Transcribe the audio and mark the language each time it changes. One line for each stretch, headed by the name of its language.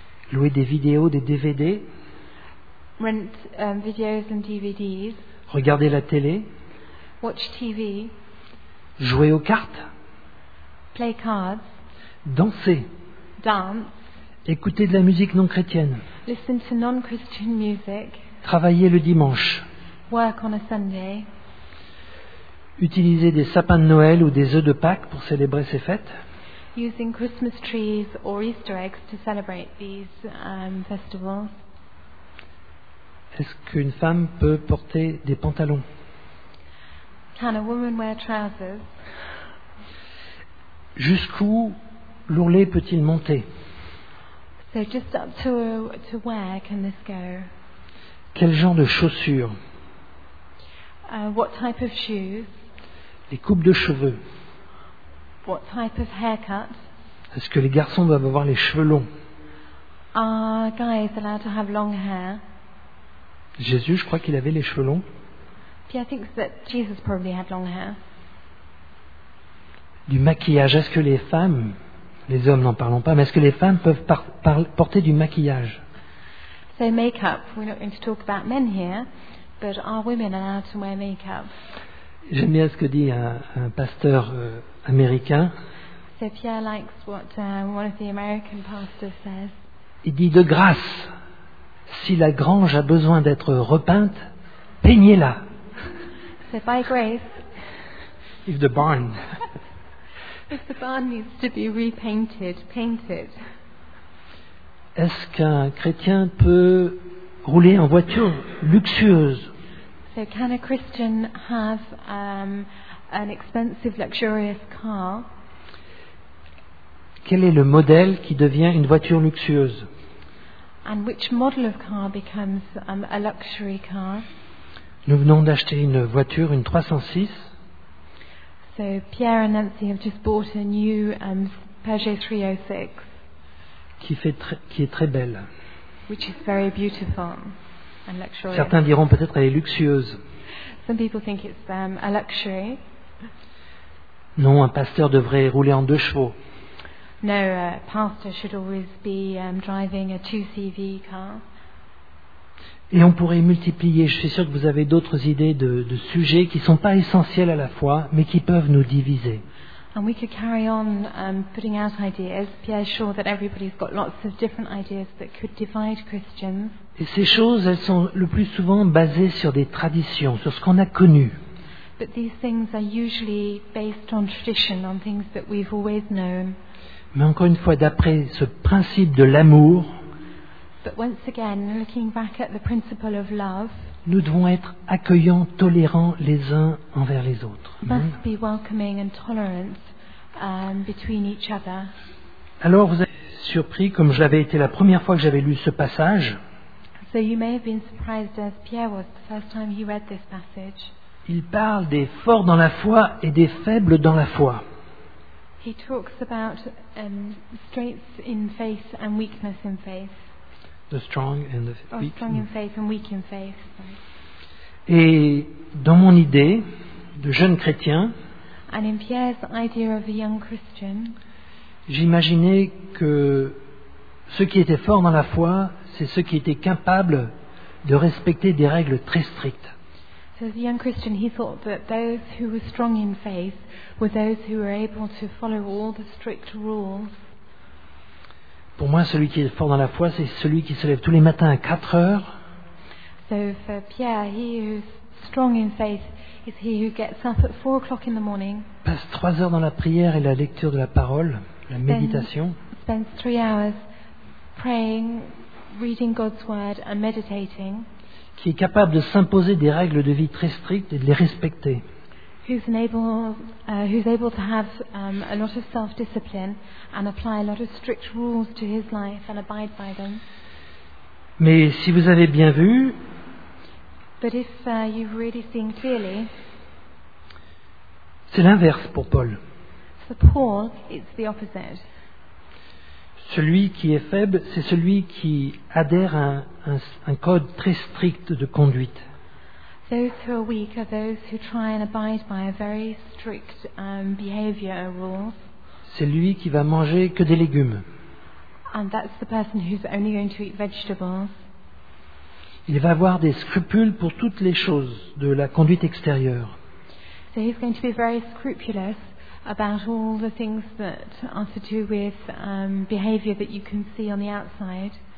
French: Louer des vidéos, des DVD.
English: Rent videos and DVDs.
French: Regarder la télé.
English: Watch TV.
French: Jouer aux cartes.
English: Play cards.
French: Danser.
English: Dance.
French: Écouter de la musique non chrétienne.
English: Listen to non-Christian music.
French: Travailler le dimanche.
English: Work on a Sunday.
French: Utiliser des sapins de Noël ou des œufs de Pâques pour célébrer ces fêtes.
English: Using Christmas trees or Easter eggs to celebrate these festivals.
French: Est-ce qu'une femme peut porter des pantalons?
English: Can a woman wear trousers?
French: Jusqu'où l'ourlet peut-il monter?
English: So just up to where can this go?
French: Quel genre de chaussures?
English: What type of shoes?
French: Les coupes de cheveux.
English: What type of haircut?
French: Est-ce que les garçons doivent avoir les cheveux longs?
English: Are guys allowed to have long hair?
French: Jésus, je crois qu'il avait les cheveux longs.
English: Yeah, I think that Jesus probably had long hair.
French: Du maquillage, est-ce que les femmes, les hommes n'en parlons pas, mais est-ce que les femmes peuvent porter du maquillage?
English: So makeup, we're not going to talk about men here, but are women allowed to wear makeup?
French: J'aime bien ce que dit un pasteur américain.
English: So Pierre likes what one of the American pastors says.
French: Il dit, de grâce, si la grange a besoin d'être repeinte, peignez-la.
English: So by grace. If the barn needs to be repainted, paint it.
French: Est-ce qu'un chrétien peut rouler en voiture luxueuse?
English: So can a Christian have an expensive, luxurious car?
French: Quel est le modèle qui devient une voiture luxueuse?
English: And which model of car becomes a luxury car?
French: Nous venons d'acheter une voiture, une 306.
English: So Pierre and Nancy have just bought a new Peugeot 306.
French: Qui est très belle.
English: Which is very beautiful.
French: Certains diront peut-être elle est luxueuse.
English: Some people think it's a luxury.
French: Non, un pasteur devrait rouler en deux chevaux.
English: No, a pastor should always be driving a 2CV car.
French: Et on pourrait multiplier. Je suis sûr que vous avez d'autres idées de sujets qui sont pas essentiels à la foi, mais qui peuvent nous diviser.
English: And we could carry on putting out ideas. Pierre's sure that everybody's got lots of different ideas that could divide Christians.
French: Et ces choses, elles sont le plus souvent basées sur des traditions, sur ce qu'on a connu.
English: But these things are usually based on tradition, on things that we've always known.
French: Mais encore une fois, d'après ce principe de l'amour,
English: but once again, looking back at the principle of love,
French: nous devons être accueillants, tolérants les uns envers les autres.
English: We must be welcoming and tolerant between each other.
French: Alors, vous êtes surpris, comme je l'avais été la première fois que j'avais lu ce passage.
English: So you may have been surprised as Pierre was the first time he read this passage.
French: Il parle des forts dans la foi et des faibles dans la foi.
English: He talks about strengths in faith and weakness in faith. The strong and the weak. Oh, strong in faith and weak in faith.
French: Et dans mon idée de jeune chrétien,
English: and in Pierre's idea of a young Christian,
French: j'imaginais que ceux qui étaient forts dans la foi, c'est ceux qui étaient capables de respecter des règles très strictes.
English: So as a young Christian, he thought that those who were strong in faith were those who were able to follow all the strict rules.
French: Pour moi, celui qui est fort dans la foi, c'est celui qui se lève tous les matins à 4 heures.
English: So for Pierre, he who's strong in faith is he who gets up at 4 o'clock in the morning.
French: Passe 3 heures dans la prière et la lecture de la parole, la méditation.
English: Spends 3 hours praying, reading God's word and meditating.
French: Qui est capable de s'imposer des règles de vie très strictes et de les respecter.
English: who's able to have a lot of self-discipline and apply a lot of strict rules to his life and abide by them.
French: Mais si vous avez bien vu,
English: but if you've really seen clearly,
French: c'est l'inverse pour Paul.
English: For Paul, it's the opposite.
French: Celui qui est faible, c'est celui qui adhère à un code très strict de conduite.
English: Those who are weak are those who try and abide by a very strict behavior rule.
French: C'est lui qui va manger que des légumes.
English: And that's the person who's only going to eat vegetables.
French: Il va avoir des scrupules pour toutes les choses de la conduite extérieure.
English: So he's going to be very scrupulous about all the things that are to do with behavior that you can see on the outside.